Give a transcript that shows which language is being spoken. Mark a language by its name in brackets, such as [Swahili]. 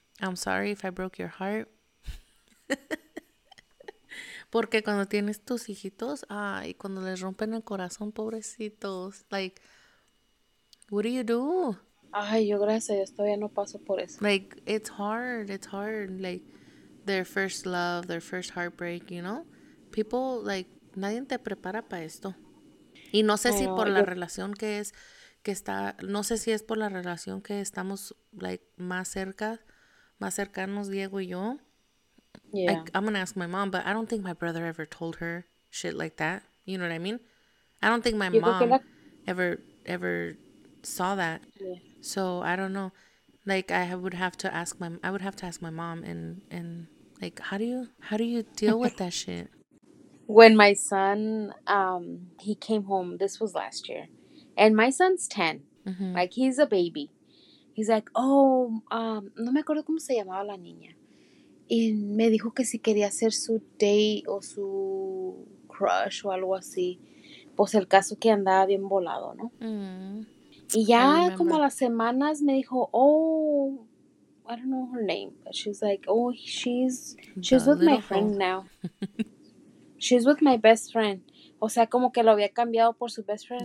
[English] I'm sorry if I broke your heart. [Spanish] Porque cuando tienes tus hijitos, ay, cuando les rompen el corazón, pobrecitos. [English] Like, what do you do? [Spanish] Ay, yo gracias a Dios todavía no paso por eso. [English] Like, it's hard. Like, their first love, their first heartbreak, you know? People, like, [Spanish] nadie te prepara para esto. Y no sé si por la relación que estamos, like, más cercanos Diego y yo. [English] Yeah. Like, I'm going to ask my mom, but I don't think my brother ever told her shit like that. You know what I mean? I don't think my mom ever saw that. Yeah. So, I don't know. Like, I would have to ask my mom and like, how do you deal with that shit? When my son, he came home, this was last year, and my son's 10. Mm-hmm. Like, he's a baby. He's like, oh, [Spanish] no me acuerdo cómo se llamaba la niña. Y me dijo que si quería hacer su date o su crush o algo así. Pues el caso que andaba bien volado, ¿no? Y ya como a las semanas me dijo, oh, [English] I don't know her name. But she's like, oh, she's with my friend now. She's with my best friend. [Spanish] O sea, como que lo había cambiado por su best friend.